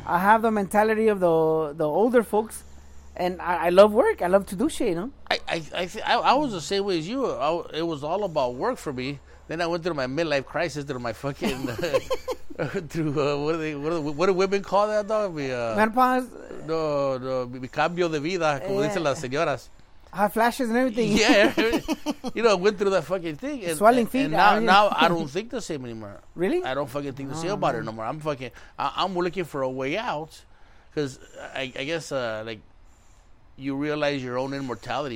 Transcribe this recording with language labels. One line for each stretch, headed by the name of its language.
English: I have the mentality of the older folks. And I love work. I love to do shit, you know? I was the same way as you. It was all about work for me. Then I went through my midlife crisis, through my fucking through what do women call that, dog? Menopause?
Spanish: No, mi cambio de vida, como
English: yeah.
Spanish: dicen las señoras.
English: Hot flashes and everything. Yeah, you know, went through that fucking thing. And, swelling and, feet. And now I don't think the same anymore. Really? I don't fucking think the same about it no more. I'm looking for a way out, because I guess like, you realize your own immortality.